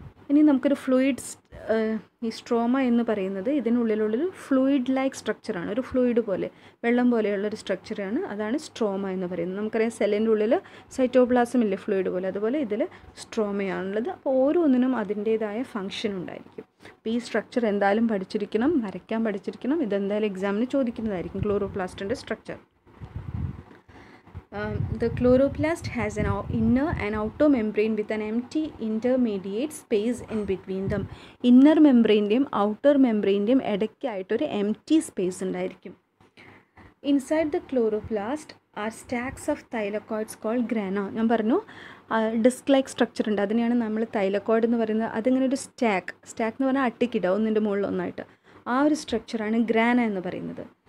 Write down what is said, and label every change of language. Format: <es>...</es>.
<ml>ഇനി നമുക്കൊരു ഫ്ലൂയിഡ്സ്, ഈ സ്ട്രോമ എന്ന് പറയുന്നത് ഇതിനുള്ളിലുള്ളൊരു ഫ്ലൂയിഡ് ലൈക്ക് സ്ട്രക്ചറാണ്, ഒരു ഫ്ലൂയിഡ് പോലെ വെള്ളം പോലെയുള്ളൊരു സ്ട്രക്ചറാണ്, അതാണ് സ്ട്രോമ എന്ന് പറയുന്നത്. നമുക്കറിയാം സെല്ലിൻ്റെ ഉള്ളിൽ സൈറ്റോപ്ലാസം ഇല്ലേ ഫ്ലൂയിഡ് പോലെ, അതുപോലെ ഇതിൽ സ്ട്രോമയാണുള്ളത്. അപ്പോൾ ഓരോന്നിനും അതിൻ്റേതായ ഫങ്ഷൻ ഉണ്ടായിരിക്കും. അപ്പോൾ ഈ സ്ട്രക്ചർ എന്തായാലും പഠിച്ചിരിക്കണം, വരയ്ക്കാൻ പഠിച്ചിരിക്കണം. ഇതെന്തായാലും എക്സാമിന് ചോദിക്കുന്നതായിരിക്കും ക്ലോറോപ്ലാസ്റ്റിൻ്റെ structure.</ml> <en>The chloroplast has an inner and outer membrane with an empty intermediate space in between them.</en> <ml>Inner membrane-ന്റെയും outer membrane-ന്റെയും ഇടയ്ക്കായിട്ടൊരു എംറ്റി space ഉണ്ടായിരിക്കും.</ml> <en>Inside the chloroplast are stacks of thylakoids called grana.</en> <ml>ഞാൻ പറഞ്ഞു ഡിസ്ക് ലൈക്ക് സ്ട്രക്ചർ ഉണ്ട്, അതിനെയാണ് നമ്മൾ thylakoid എന്ന് പറയുന്നത്. അതിങ്ങനെ ഒരു സ്റ്റാക്ക്, സ്റ്റാക്ക് എന്ന് പറഞ്ഞാൽ അട്ടിക്കിട ഒന്നിൻ്റെ മുകളിൽ ഒന്നായിട്ട്, ആ ഒരു സ്ട്രക്ചറാണ് ഗ്രാന എന്ന് പറയുന്നത്.</ml>